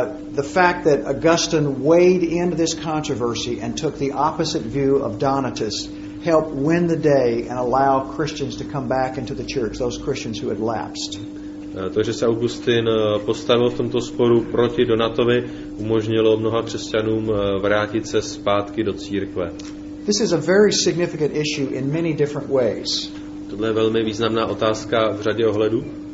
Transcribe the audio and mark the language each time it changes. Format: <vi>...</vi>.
<en>The fact that Augustine weighed into this controversy and took the opposite view of Donatus helped win the day and allow Christians to come back into the church, those Christians who had lapsed.</en> <cs>To, že se Augustin postavil v tomto sporu proti Donatovi, umožnilo mnoha křesťanům vrátit se zpátky do církve.</cs> <en>This is a very significant issue in many different ways.</en> <cs>Tohle je velmi významná otázka v řadě ohledů.</cs>